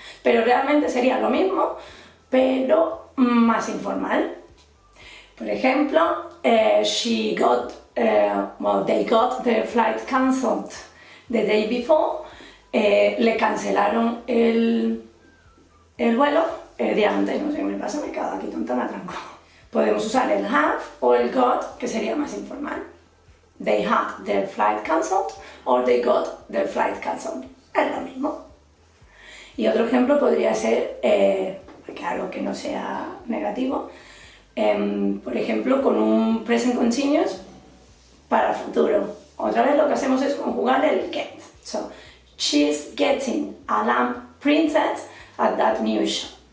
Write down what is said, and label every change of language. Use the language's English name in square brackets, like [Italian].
[Spanish] Pero realmente sería lo mismo, pero más informal. Por ejemplo, [English] she got, well, they got the flight cancelled the day before. [Spanish] Le cancelaron el vuelo el día antes. No sé qué me pasa, me he quedado aquí tonta, me atranco. Podemos usar el have o el got, que sería más informal. [English] They had their flight cancelled, or they got their flight cancelled. [Spanish] Es lo mismo. Y otro ejemplo podría ser, claro, que no sea negativo, por ejemplo, con un present continuous para futuro. Otra vez lo que hacemos es conjugar el get. [English] So, she's getting a lamp printed at that new shop.